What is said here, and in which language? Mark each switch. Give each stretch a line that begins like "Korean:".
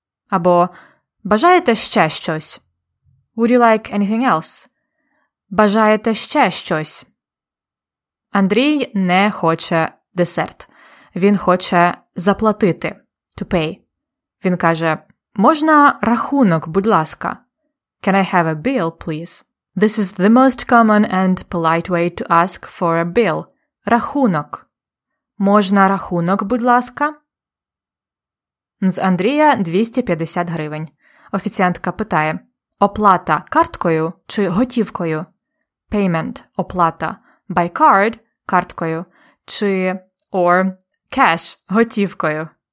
Ukrainian: Або бажаєте ще щось?
English: Would you like anything else?
Ukrainian: Бажаєте ще щось? Андрій не хоче десерт. Він хоче заплатити.
English: To pay.
Ukrainian: Він каже, можна рахунок, будь ласка?
English: Can I have a bill, please? This is the most common and polite way to ask for a bill.
Ukrainian: Рахунок. Можна рахунок, будь ласка? З Андрія 250 гривень. Офіціантка питає, оплата карткою чи готівкою?
English: Payment,
Ukrainian: оплата,
English: by card,
Ukrainian: карткою, чи,
English: or, cash,
Ukrainian: готівкою.